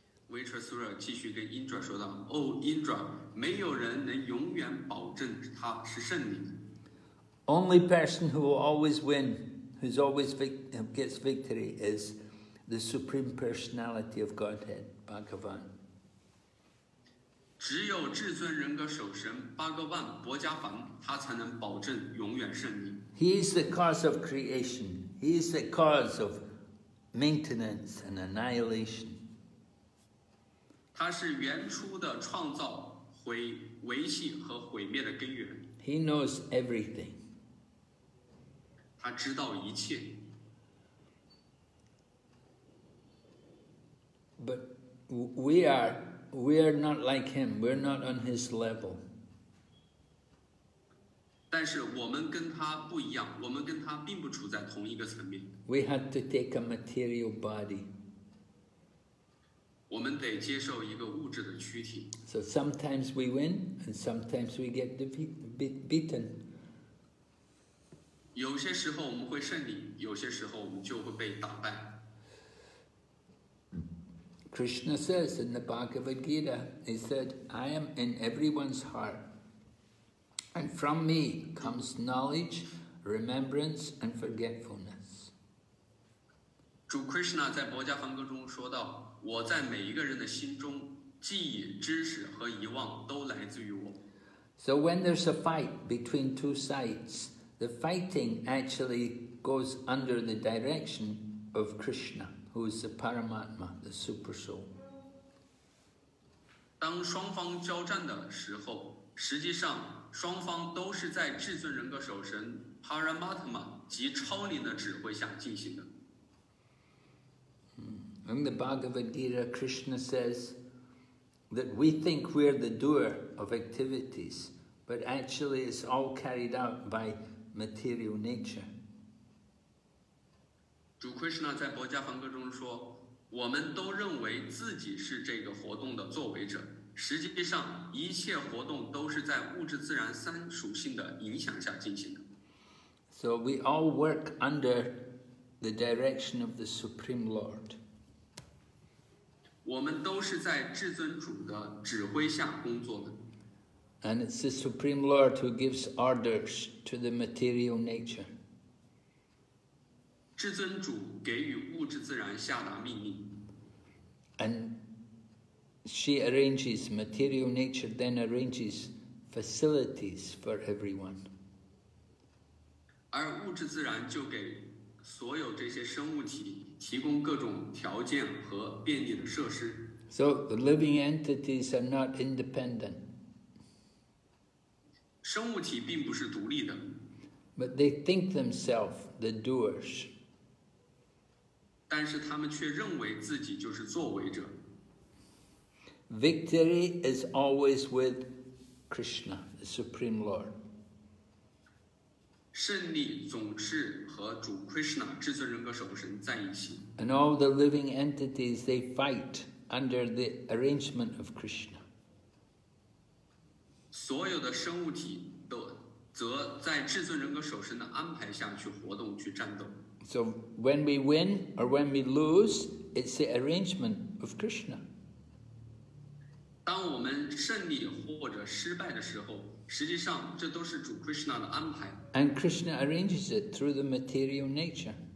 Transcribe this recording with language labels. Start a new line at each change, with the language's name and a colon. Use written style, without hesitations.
Chinese: Vritasura 继续跟 Indra 说道 O Indra, 没有人能永远保证他是胜利。
English: Only person who will always win, who's always gets victory, is the Supreme Personality of Godhead, Bhagavan.
Chinese: 只有至尊人格守神巴格万博迦梵，他才能保证永远胜利。
English: He is the cause of creation. He is the cause of maintenance and annihilation.
Chinese: 他是原初的创造、维系和毁灭的根源。
English: He knows everything.
Chinese: 他知道一切。
English: But we are not like him. We're not on his level.
Chinese: 但是我们跟他不一样，我们跟他并不处在同一个层面。
English: We had to take a material body.
Chinese: 我们得接受一个物质的躯体。
English: So sometimes we win, and sometimes we get beaten.
Chinese: 有些时候我们会胜利，有些时候我们就会被打败。
English: Krishna says in the Bhagavad Gita, he said, I am in everyone's heart, and from me comes knowledge, remembrance, and forgetfulness.
Chinese: 主 Krishna 在薄伽梵歌中说道，我在每一个人的心中，记忆、知识和遗忘都来自于我。
English: So when there's a fight between two sides, the fighting actually goes under the direction of Krishna, who is the Paramatma, the Super Soul.
Chinese: 当双方交战的时候，实际上双方都是在至尊人格守神 Paramatma 及超灵的指挥下进行的。
English: In the Bhagavad Gita, Krishna says that we think we're the doer of activities, but actually it's all carried out by material nature.
Chinese: 主 Krishna 在薄伽梵歌中说，我们都认为自己是这个活动的作为者，实际上一切活动都是在物质自然三属性的影响下进行的。
English: So we all work under the direction of the Supreme Lord.
Chinese: 我们都是在至尊主的指挥下工作的。
English: And it's the Supreme Lord who gives orders to the material nature.
Chinese: 至尊主给予物质自然下达命令。
English: And she arranges, material nature then arranges facilities for everyone.
Chinese: 而物质自然就给所有这些生物体提供各种条件和便利的设施。
English: So the living entities are not independent.
Chinese: 生物体并不是独立的。
English: But they think themselves the doers.
Chinese: 但是他们却认为自己就是作为者。
English: Victory is always with Krishna, the Supreme Lord.
Chinese: 胜利总是和主 Krishna 至尊人格守神在一起。
English: And all the living entities, they fight under the arrangement of Krishna.
Chinese: 所有的生物体都则在至尊人格守神的安排下去活动去战斗。
English: So when we win or when we lose, it's the arrangement of Krishna.
Chinese: 当我们胜利或者失败的时候，实际上这都是主 Krishna 的安排。
English: And Krishna arranges it through the material nature.